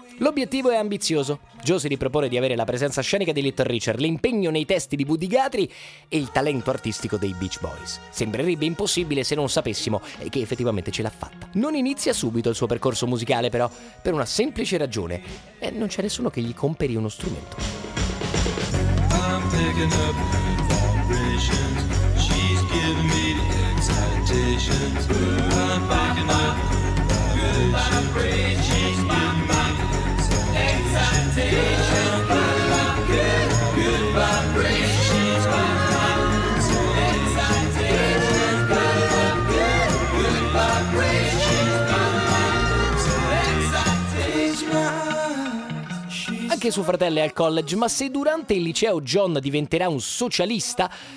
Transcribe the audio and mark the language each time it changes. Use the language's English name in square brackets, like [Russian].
[Italian] L'obiettivo è ambizioso. Joe si ripropone di avere la presenza scenica di Little Richard, l'impegno nei testi di Woody Guthrie e il talento artistico dei Beach Boys. Sembrerebbe impossibile se non sapessimo che effettivamente ce l'ha fatta. Non inizia subito il suo percorso musicale, però, per una semplice ragione. Non c'è nessuno che gli comperi uno strumento. [English] I'm picking up vibrations. She's giving me the excitations. I'm picking up vibrations. She's giving me [Italian] anche suo fratello è al college, ma se durante il liceo John diventerà un socialista,